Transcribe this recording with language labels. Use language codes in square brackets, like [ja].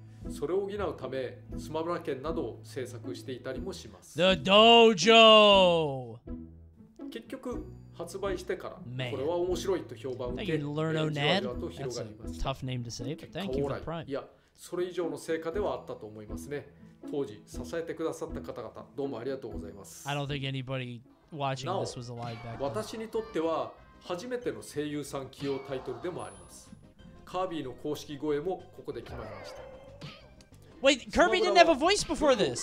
[ja] それを補うためスマブラ剣などを制作していたりもします。 [en] The Dojo。 [ja] 結局発売してからこれは面白いと評判を受け、 [en] Thank you, Lerno Ned. That's a tough name to say, but thank you for Prime. [ja] いや、それ以上の成果ではあったと思いますね。当時支えてくださった方々どうもありがとうございます。 [en] I don't think anybody watching this was alive back then. [ja] 私にとっては初めての声優さん起用タイトルでもあります。カービィの公式声もここで決まりました。 [en] Wait, Kirby didn't have a voice before this.